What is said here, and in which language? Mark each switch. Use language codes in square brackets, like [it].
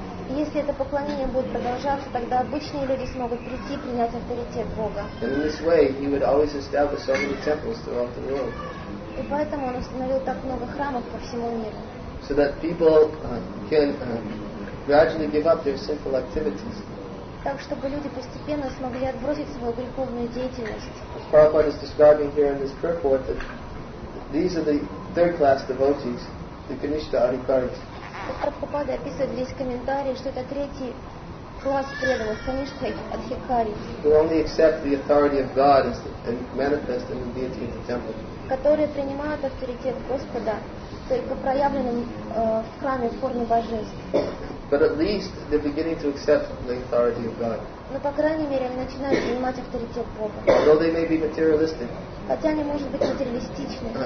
[ru] Если это поклонение будет продолжаться, тогда обычные люди смогут прийти и принять авторитет Бога. [en] And in this way, he would always establish so many temples throughout the world. [ru] И поэтому он установил так много храмов по всему миру. [en] So that people can gradually give up their sinful activities. [ru] Так, чтобы люди постепенно смогли отбросить свою греховную деятельность. [en] As Prabhupada is describing here in this purport, that these are the third-class devotees, the Kanishtha Adhikaris. [ru] Как Прабхупада описывает здесь комментарии, что это третий класс преданных, конечно, адхикари. [en] Who only accept the authority of God as and manifest in the deity of the temple. [ru] Которые принимают авторитет Господа, только проявленным в храме в форме божеств. [en] But at least they're beginning to accept the authority of God. [ru] Но по крайней мере они начинают принимать авторитет Бога. [en] Although they may be materialistic. [ru] Хотя они могут быть материалистичны.